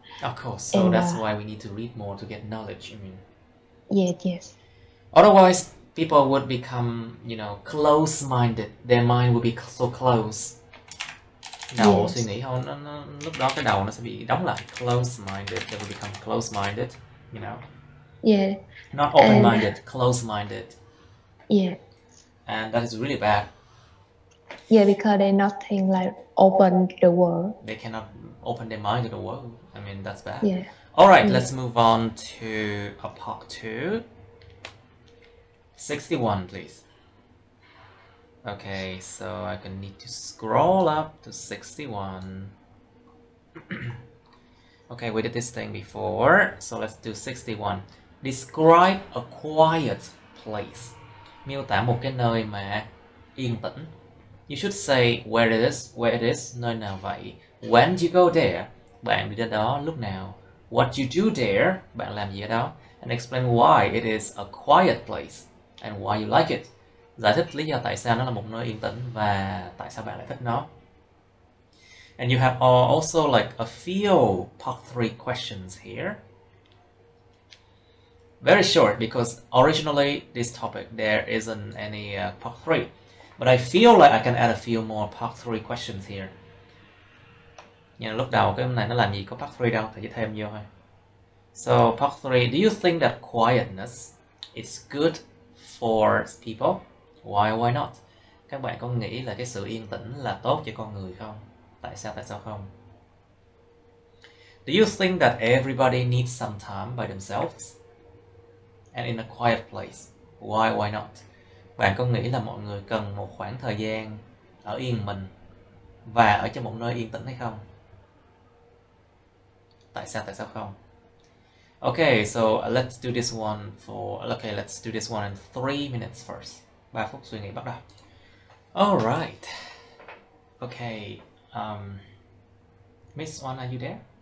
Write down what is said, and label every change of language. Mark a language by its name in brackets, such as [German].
[English] Of course, so that's why we need to read more to get knowledge, you mean? Yes. Otherwise, people would become, you know, close-minded. Their mind would be so close. [Vietnamese] Đầu [English] yes. [Vietnamese] suy nghĩ họ nó lúc đó cái đầu nó sẽ bị đóng lại. [English] Close-minded, they will become close-minded, you know. Yeah. Not open-minded, close-minded. Yeah. And that is really bad. Yeah, because they not think like open the world. They cannot open their mind to the world. I mean, that's bad. Yeah. All right, let's move on to a part two. 61, please. Okay, so I can need to scroll up to 61. Okay, we did this thing before, so let's do 61. Describe a quiet place. [Vietnamese] Miêu tả một cái nơi mà yên tĩnh. [English] You should say where it is, [Vietnamese] nơi nào vậy. [English] When you go there, [Vietnamese] bạn đi đến đó lúc nào. [English] What you do there, [Vietnamese] bạn làm gì ở đó. [English] And explain why it is a quiet place and why you like it. [Vietnamese] Giải thích lý do tại sao nó là một nơi yên tĩnh và tại sao bạn lại thích nó. [English] And you have also like a few part 3 questions here. Very short, because originally this topic, there isn't any part 3. But I feel like I can add a few more part 3 questions here. [Vietnamese] Nhưng lúc đầu cái này nó làm gì có part 3 đâu, phải chỉ thêm vô thôi. [English] So part 3, do you think that quietness is good for people? Why not? [Vietnamese] Các bạn có nghĩ là cái sự yên tĩnh là tốt cho con người không? Tại sao không? [English] Do you think that everybody needs some time by themselves and in a quiet place? Why not? [Vietnamese] Bạn có nghĩ là mọi người cần một khoảng thời gian ở yên mình và ở trong một nơi yên tĩnh hay không? Tại sao không? [English] Okay, so let's do this one in 3 minutes first. [Vietnamese] 3 phút suy nghĩ bắt đầu. [English] All right. Okay. Miss One, are you there?